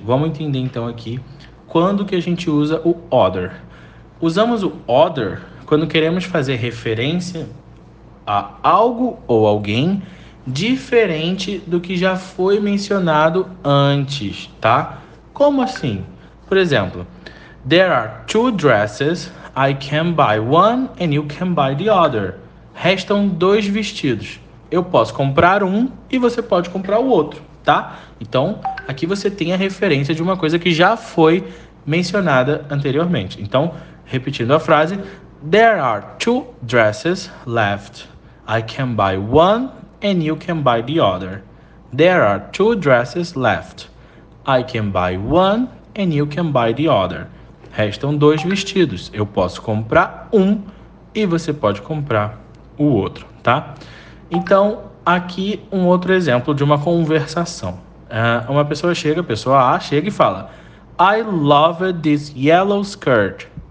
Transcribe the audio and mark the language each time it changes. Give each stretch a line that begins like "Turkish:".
Portuguese: Vamos entender então aqui quando que a gente usa o other. Usamos o other quando queremos fazer referência a algo ou alguém diferente do que já foi mencionado antes, tá? Como assim? Por exemplo,
English: there are two dresses. I can buy one and you can buy the other.
Portuguese: Restam dois vestidos. Eu posso comprar um e você pode comprar o outro, tá? Então, aqui você tem a referência de uma coisa que já foi mencionada anteriormente. Então, repetindo a frase,
English: there are two dresses left. I can buy one and you can buy the other. There are two dresses left. I can buy one and you can buy the other.
Portuguese: Restam dois vestidos. Eu posso comprar um e você pode comprar o outro, tá? Então, aqui um outro exemplo de uma conversação. Uma pessoa chega, pessoa A chega e fala,
English: I love this yellow skirt.